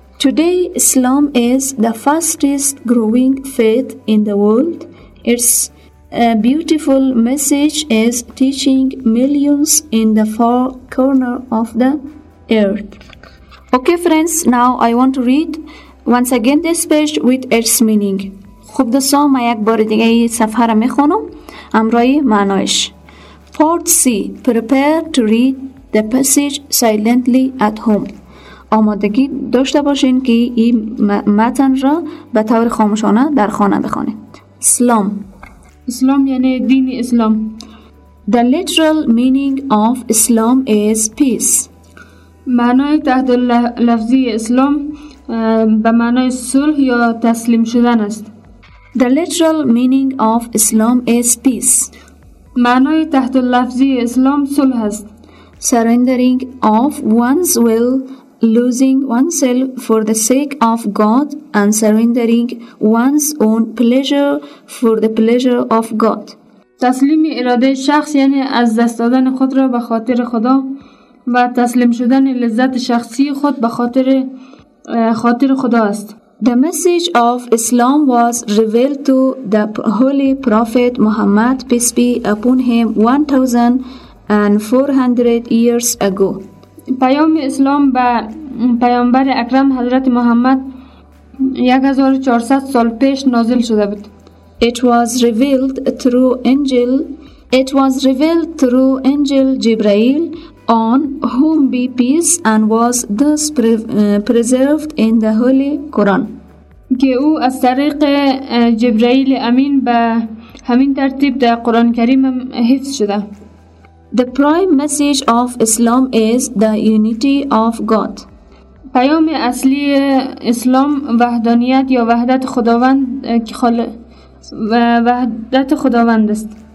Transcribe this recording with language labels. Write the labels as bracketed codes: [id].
[en] Today, Islam is the fastest growing faith in the world. Its beautiful message is teaching millions in the far corner of the earth. Okay friends, now I want to read once again this page with its meaning. [fa] خب دوستان من یک بار دیگه این صفحه رو میخونم امرای معنایش. [en] Part C. Prepare to read the passage silently at home. [fa] آمادگی داشته باشین که این متن را به طور خاموشانه در خانه بخونید. [en] Islam [fa] یعنی دین اسلام. [en] The literal meaning of Islam is peace. [fa] معنای تحت لفظی اسلام به معنای صلح یا تسلیم شدن است. [en] The literal meaning of Islam is peace. [fa] معنای تحت لفظی اسلام صلح است. [en] Surrendering of one's will, losing oneself for the sake of God and surrendering one's own pleasure for the pleasure of God. [fa] تسلیم اراده شخص یعنی از دست دادن خود را به خاطر خدا و تسلیم شدن لذت شخصی خود به خاطر خدا است. [en] The message of Islam was revealed to the Holy Prophet Muhammad, peace be upon him, 1,400 years ago. [fa] پیام اسلام به پیامبر اکرم حضرت محمد 1400 سال پیش نازل شده بود. [en] It was revealed through Angel It was revealed through Angel Jibreel, on whom be peace, and was thus preserved in the Holy Quran. [fa] که او از طریق جبرائیل امین به همین ترتیب در قرآن کریم حفظ شده. [en] The prime message of Islam is the unity of God. [fa] پیام اصلی اسلام وحدانیت یا وحدت خداوند است.